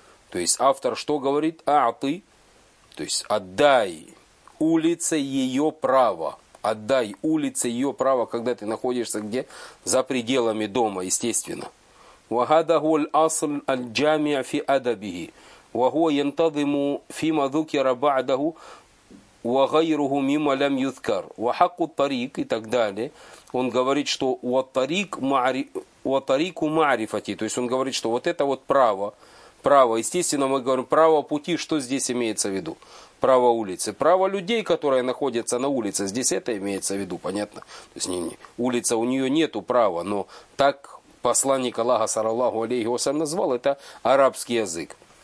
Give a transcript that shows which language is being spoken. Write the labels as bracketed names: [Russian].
[Russian] То есть автор что говорит? [Arabic] أعطي, [Russian] то есть отдай улице ее право. Отдай улице ее право, когда ты находишься где? За пределами дома, естественно. [Arabic] وهذا هو الأصل الجامع في أدبه وهو ينتظم فيما ذكر بعده وغيره مما لم يذكر وحق الطريق [Russian] и так далее. Он говорит, что «уатарику маарифати», то есть он говорит, что вот это вот право, естественно, мы говорим, право пути, что здесь имеется в виду? Право улицы, право людей, которые находятся на улице, здесь это имеется в виду, понятно? То есть улица, у нее нету права, но так посланник Аллаха, саллаллаху алейхи вассалям, назвал, это арабский язык.